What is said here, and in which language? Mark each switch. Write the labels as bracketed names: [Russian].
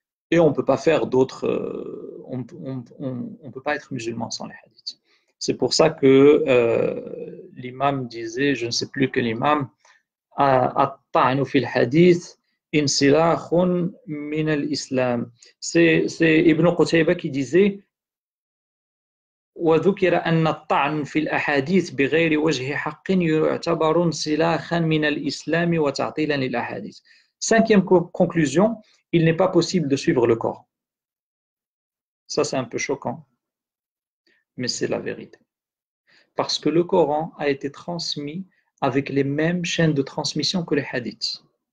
[French] Et on ne peut pas faire d'autres... On ne peut pas être musulman sans les hadiths. C'est pour ça que l'imam disait, je ne sais plus quel imam, « [Arabic] At-ta'nu fil hadith in silahun min al-islam ». [French] C'est Ibn Qutayba qui disait [Arabic] وذكر أن الطعن في الأحاديث بغير وجه حق يعتبر سلاحا من الإسلام وتعطيلا للأحاديث. [French] Cinquième conclusion, il n'est pas possible de suivre le Coran. Ça, c'est un peu choquant, mais c'est la vérité. Parce que le Coran a été transmis avec les mêmes chaînes de transmission que les hadiths.